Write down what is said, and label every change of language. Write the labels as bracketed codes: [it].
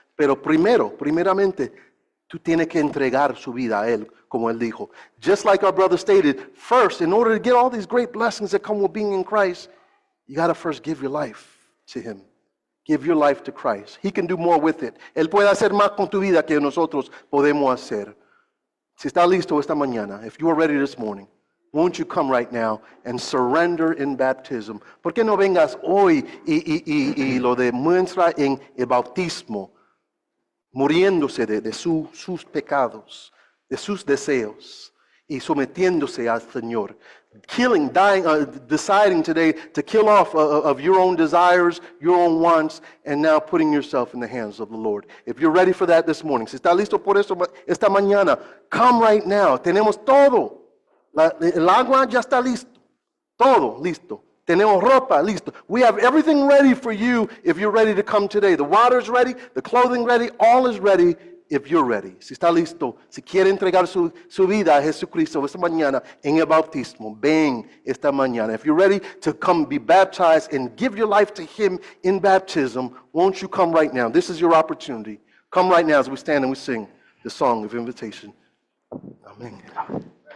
[es] Pero primeramente, tú tienes que entregar su vida a Él, como Él dijo. [en] Just like our brother stated, first, in order to get all these great blessings that come with being in Christ, you got to first give your life to Him. Give your life to Christ. He can do more with it. [es] Él puede hacer más con tu vida que nosotros podemos hacer. Si está listo esta mañana, [en] if you are ready this morning, Won't you come right now and surrender in baptism? [es] ¿Por qué no vengas hoy y lo demuestra en el bautismo, muriéndose de sus pecados, de sus deseos, y sometiéndose al Señor? [en] Killing, dying, deciding today to kill off of your own desires, your own wants, and now putting yourself in the hands of the Lord. If you're ready for that this morning, [es] si está listo por eso esta mañana, [en] come right now. [es] Tenemos todo. El agua ya está listo. Todo listo. Tenemos ropa listo. [en] We have everything ready for you if you're ready to come today. The water's ready, the clothing ready, all is ready if you're ready. [es] Si está listo, si quiere entregar su vida a Jesucristo esta mañana en el bautismo, ven esta mañana. [en] If you're ready to come be baptized and give your life to Him in baptism, won't you come right now? This is your opportunity. Come right now as we stand and we sing the song of invitation. Amen. Amen.